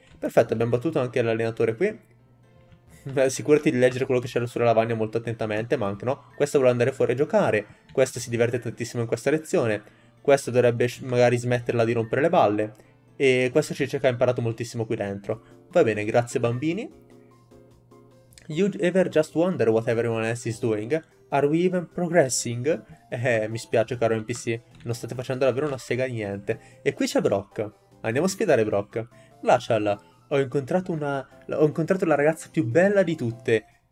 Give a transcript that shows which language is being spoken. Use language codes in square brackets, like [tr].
[it] Perfetto, abbiamo battuto anche l'allenatore qui. Assicurati di leggere quello che c'è sulla lavagna molto attentamente, ma anche no. Questo vuole andare fuori a giocare, questo si diverte tantissimo in questa lezione, questo dovrebbe magari smetterla di rompere le balle, e questo ci dice che ha imparato moltissimo qui dentro. Va bene, grazie bambini. [en] You ever just wonder what everyone else is doing? Are we even progressing? [it] Mi spiace, caro NPC. Non state facendo davvero una sega di niente. E qui c'è Brock. Andiamo a sfidare Brock. Lashal, ho incontrato la ragazza più bella di tutte.